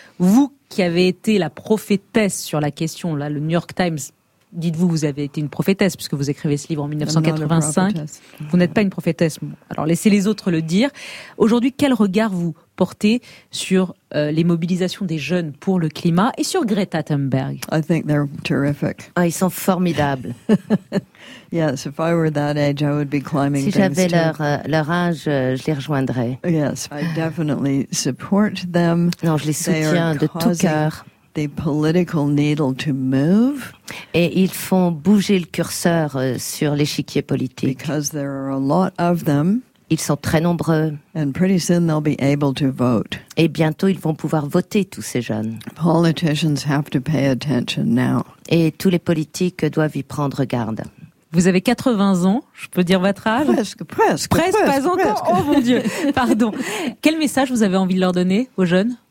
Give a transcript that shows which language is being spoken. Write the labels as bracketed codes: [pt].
[fr] Vous qui avez été la prophétesse sur la question, là, le New York Times, dites-vous, vous avez été une prophétesse puisque vous écrivez ce livre en 1985. Vous n'êtes pas une prophétesse. Alors laissez les autres le dire. Aujourd'hui, quel regard vous portez sur les mobilisations des jeunes pour le climat et sur Greta Thunberg? [en] I think they're terrific. [fr] Ah, ils sont formidables. [en] Yes, if I were that age, I would be climbing [fr] si j'avais leur âge, je les rejoindrais. [en] Yes, I definitely support them. [fr] Non, je les soutiens de tout cœur. [en] The political needle to move. [fr] Et ils font bouger le curseur sur l'échiquier politique. [en] Because there are a lot of them. [fr] Ils sont très nombreux. [en] And pretty soon they'll be able to vote. [fr] Et bientôt ils vont pouvoir voter, tous ces jeunes. [en] Politicians have to pay attention now. [fr] Et tous les politiques doivent y prendre garde. Vous avez 80 ans, je peux dire votre âge? Presque, pas encore. Oh mon Dieu, pardon. Quel message vous avez envie de leur donner aux jeunes?